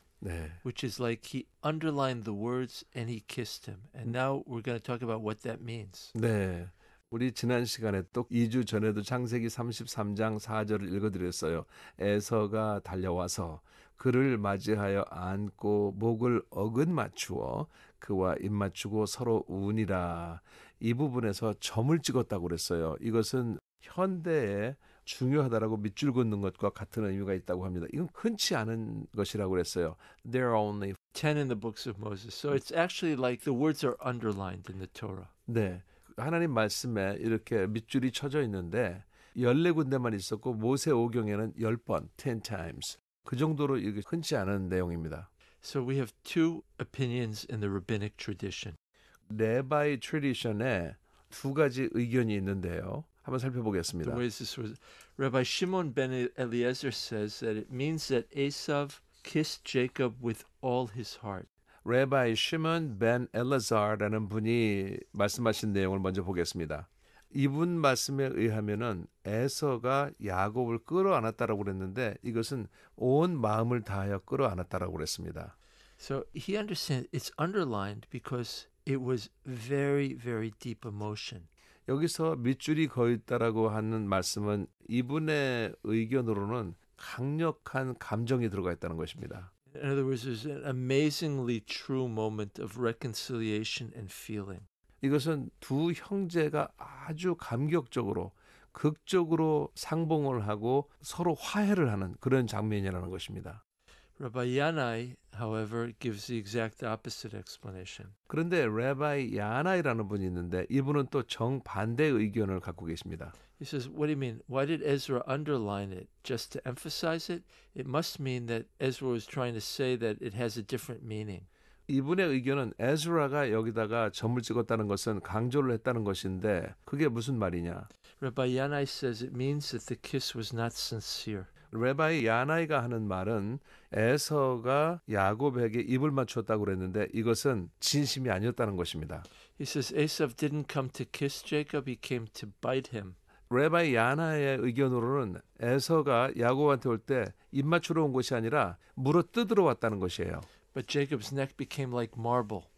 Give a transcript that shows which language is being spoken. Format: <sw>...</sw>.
<ko>네.</ko> <en>which is like he underlined the words and he kissed him. And now we're going to talk about what that means.</en> <ko>네. 우리 지난 시간에 또 2주 전에도 창세기 33장 4절을 읽어드렸어요. 에서가 달려와서 그를 맞이하여 안고 목을 어긋맞추어 그와 입맞추고 서로 우니라. 이 부분에서 점을 찍었다고 그랬어요. 이것은 현대에 중요하다라고 밑줄 긋는 것과 같은 의미가 있다고 합니다. 이건 흔치 않은 것이라고 그랬어요.</ko> <en>There are only 10 in the books of Moses. So it's actually like the words are underlined in the Torah.</en> <ko>네. 하나님 말씀에 이렇게 밑줄이 쳐져 있는데 14군데만 있었고 모세 오경에는 10번,</ko> <en>10 times.</en> <ko>그 정도로 이게 흔치 않은 내용입니다.</ko> <en>So we have two opinions in the rabbinic tradition.</en> <ko>레바이 트리디션에 두 가지 의견이 있는데요. 한번 살펴보겠습니다.</ko> <en>The way this was, Rabbi Shimon ben Eliezer says that it means that Esav kissed Jacob with all his heart.</en> <ko>레바이 시몬 벤 엘라자르라는 분이 말씀하신 내용을 먼저 보겠습니다. 이분 말씀에 의하면은 에서가 야곱을 끌어안았다라고 그랬는데 이것은 온 마음을 다하여 끌어안았다라고 그랬습니다.</ko> <en>So he understands it's underlined because it was very very deep emotion.</en> <ko>여기서 밑줄이 거의 있다라고 하는 말씀은 이분의 의견으로는 강력한 감정이 들어가 있다는 것입니다.</ko> <en>In other words, it's an amazingly true moment of reconciliation and feeling.</en> <ko>이것은 두 형제가 아주 감격적으로 극적으로 상봉을 하고 서로 화해를 하는 그런 장면이라는 것입니다.</ko> <en>Rabbi Yanai, however, gives the exact opposite explanation.</en> <ko>그런데 레바이 야나이라는 분이 있는데 이분은 또 정반대 의견을 갖고 계십니다.</ko> <en>He says, "What do you mean? Why did Ezra underline it just to emphasize it? It must mean that Ezra was trying to say that it has a different meaning."</en> <ko>이분의 의견은 에스라가 여기다가 점을 찍었다는 것은 강조를 했다는 것인데 그게 무슨 말이냐?</ko> <en>Rabbi Yanai says it means that the kiss was not sincere.</en> <ko>레바이 야나이가 하는 말은 에서가 야곱에게 입을 맞췄다고 그랬는데 이것은 진심이 아니었다는 것입니다.</ko> <en>He says Esav didn't come to kiss Jacob, he came to bite him.</en> <ko>레바이 야나의 의견으로는 에서가 야곱한테 올 때 입 맞추러 온 것이 아니라 물어뜯으러 왔다는 것이에요.</ko> <en>But Jacob's neck became like marble.</en>